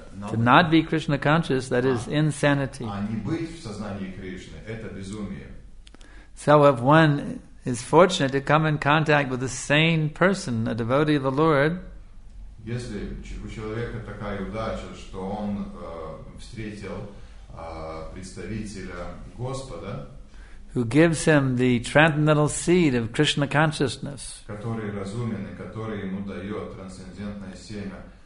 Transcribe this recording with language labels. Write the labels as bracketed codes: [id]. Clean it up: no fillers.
[en] To not be Krishna conscious, that is insanity. [ru] А не быть в сознании Кришны, это безумие. [en] So if one is fortunate to come in contact with a sane person, a devotee of the Lord, [ru] если у человека такая удача, что он встретил представителя Господа, [en] who gives him the transcendental seed of Krishna consciousness, [ru] который разумен и который ему дает трансцендентное семя,